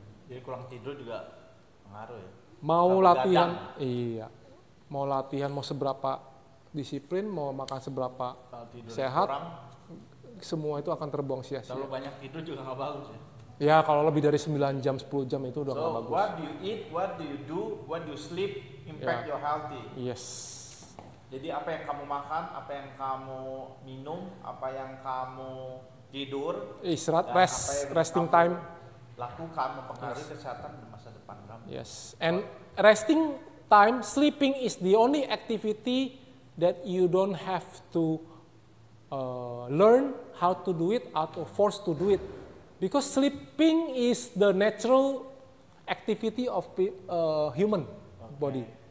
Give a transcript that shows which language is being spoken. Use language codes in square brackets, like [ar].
[id] Jadi kurang tidur juga pengaruh ya? Mau kurang latihan, gadang. Iya. Mau latihan, mau seberapa disiplin, mau makan seberapa sehat, kurang, semua itu akan terbuang sia-sia. Kalau banyak tidur juga nggak bagus ya? Ya, kalau lebih dari 9 jam, 10 jam itu udah nggak bagus. [en] So, what do you eat, what do, what you sleep, impact your healthy. Yes. [id] Jadi, apa yang kamu makan, apa yang kamu minum, apa yang kamu tidur. [en] Istirahat, rest, resting [id] kamu [en] time. [id] Lakukan, mempengaruhi kesehatan di masa depan kamu. [en] Yes, and resting time, sleeping is the only activity that you don't have to learn how to do it or forced to do it. Because sleeping is the natural activity of human body.